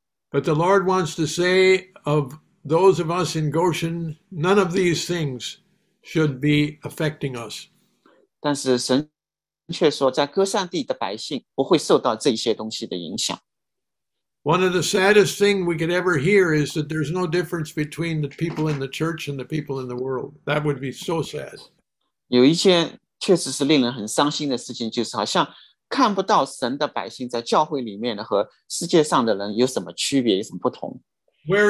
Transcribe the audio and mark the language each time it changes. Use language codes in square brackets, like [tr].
[en] But the Lord wants to say of those of us in Goshen, none of these things should be affecting us. [zh] 但是神 却说在歌上帝的百姓不会受到这些东西的影响。 [en] One of the saddest things we could ever hear is that there's no difference between the people in the church and the people in the world. That would be so sad. [zh] 有一件确实是令人很伤心的事情，就是好像看不到神的百姓在教会里面的和世界上的人有什么区别，有什么不同。 [en] Where